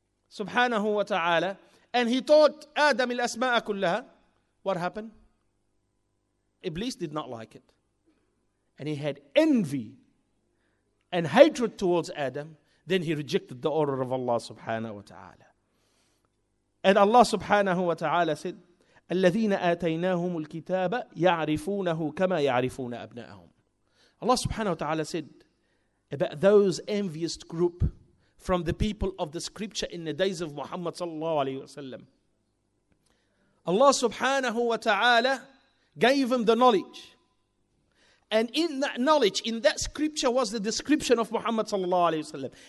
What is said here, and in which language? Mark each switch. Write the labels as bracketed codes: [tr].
[en] Subhanahu wa ta'ala. And he taught Adam [ar] al-asma'a kullaha. [en] What happened? Iblis did not like it. And he had envy and hatred towards Adam. then he rejected the order of Allah subhanahu wa ta'ala. And Allah subhanahu wa ta'ala said, [ar] الَّذِينَ آتَيْنَاهُمُ الْكِتَابَ يَعْرِفُونَهُ كَمَا يَعْرِفُونَ أَبْنَاءَهُمْ. [en] Allah subhanahu wa ta'ala said about those envious group from the people of the scripture in the days of Muhammad sallallahu alayhi wa sallam. Allah subhanahu wa ta'ala gave him the knowledge. And in that knowledge, in that scripture was the description of Muhammad sallallahu alayhi wa sallam.